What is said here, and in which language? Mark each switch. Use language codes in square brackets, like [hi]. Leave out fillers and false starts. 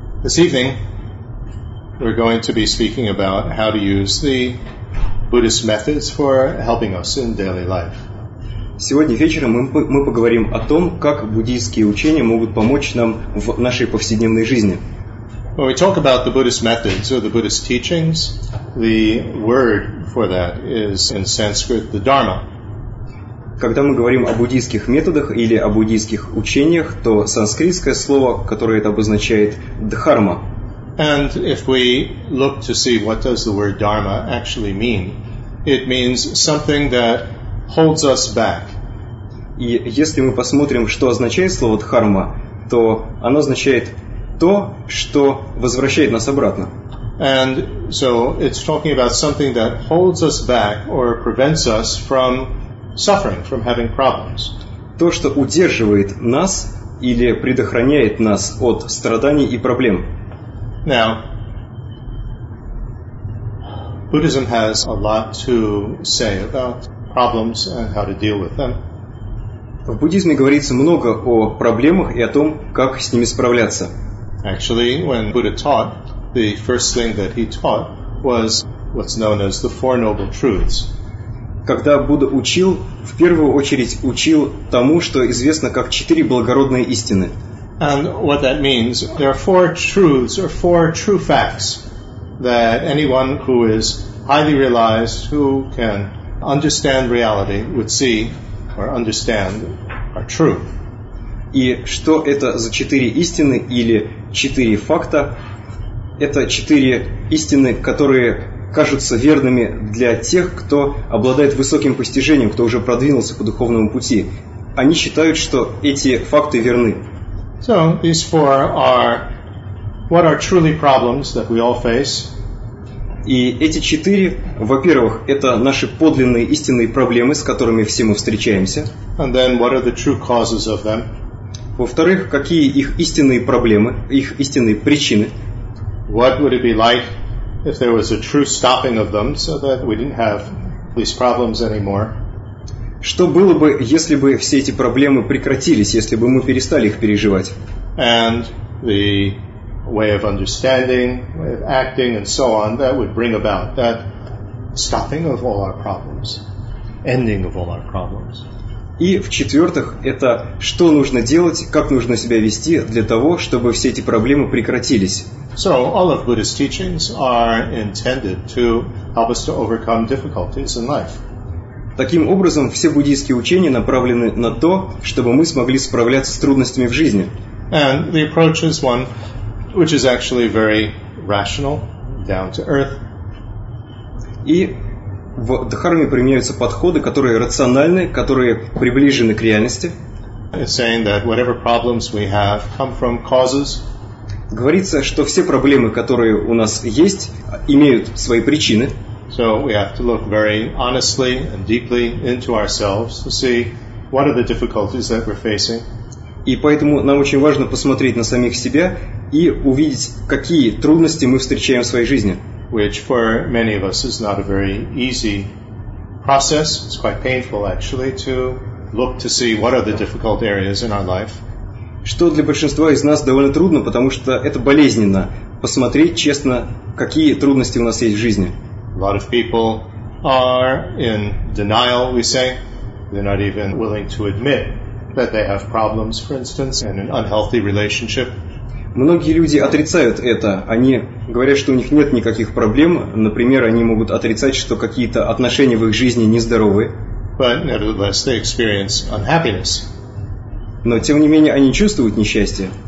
[en] This evening, we're going to be speaking about how to use the Buddhist methods for helping us in daily life. [ru] Сегодня вечером мы поговорим о том, как буддийские учения могут помочь нам в нашей повседневной жизни. [en] When we talk about the Buddhist methods or the Buddhist teachings, the word for that is in Sanskrit the Dharma. [ru] Когда мы говорим о буддийских методах или о буддийских учениях, то санскритское слово, которое это обозначает, дхарма. [en] And if we look to see what does the word dharma actually mean, it means something that holds us back. [ru] И если мы посмотрим, что означает слово дхарма, то оно означает то, что возвращает нас обратно. [en] And so it's talking about something that holds us back or prevents us from suffering, from having problems. [ru] То, что удерживает нас или предохраняет нас от страданий и проблем. [en] Now, Buddhism has a lot to say about problems and how to deal with them. [ru] В буддизме говорится много о проблемах и о том, как с ними справляться. [en] Actually, when Buddha taught, the first thing that he taught was what's known as the Four Noble Truths. [ru] Когда Будда учил, в первую очередь учил тому, что известно как четыре благородные истины. [en] And what that means, there are four truths or four true facts that anyone who is highly realized, who can understand reality, would see or understand are true. [ru] И что это за четыре истины или четыре факта? Это четыре истины, которые кажутся верными для тех, кто обладает высоким постижением, кто уже продвинулся по духовному пути. Они считают, что эти факты верны. [en] So, these four are what are truly problems that we all face. [ru] И эти четыре, во-первых, это наши подлинные истинные проблемы, с которыми все мы встречаемся. [en] And then, what are the true causes of them? [ru] Во-вторых, какие их истинные проблемы, их истинные причины? [en] What would it be like if there was a true stopping of them so that we didn't have these problems anymore? [ru] Что было бы, если бы все эти проблемы прекратились, если бы мы перестали их переживать? [en] And the way of understanding, way of acting and so on that would bring about that stopping of all our problems, ending of all our problems. [ru] И в-четвертых, это что нужно делать, как нужно себя вести для того, чтобы все эти проблемы прекратились. [en] So, all of Buddha's teachings are intended to help us to overcome difficulties in life. [ru] Таким образом, все буддийские учения направлены на то, чтобы мы смогли справляться с трудностями в жизни. [en] And the approach is one which is actually very rational, down to earth. [ru] И в дхарме применяются подходы, которые рациональны, которые приближены к реальности. [en] It's saying that whatever problems we have come from causes. [ru] Говорится, что все проблемы, которые у нас есть, имеют свои причины. [en] So we have to look very honestly and deeply into ourselves to see what are the difficulties that we're facing. [ru] И поэтому нам очень важно посмотреть на самих себя и увидеть, какие трудности мы встречаем в своей жизни. [en] Which for many of us is not a very easy process. It's quite painful actually to look to see what are the difficult areas in our life. [ru] Что для большинства из нас довольно трудно, потому что это болезненно посмотреть честно, какие трудности у нас есть в жизни. [en] A lot of people are in denial, we say. They're not even willing to admit that they have problems, for instance, in an unhealthy relationship. [ru] Многие люди отрицают это. Они говорят, что у них нет никаких проблем. Например, они могут отрицать, что какие-то отношения в их жизни нездоровы. [en] But nevertheless, they experience unhappiness. [ru] Но, тем не менее, они чувствуют несчастье.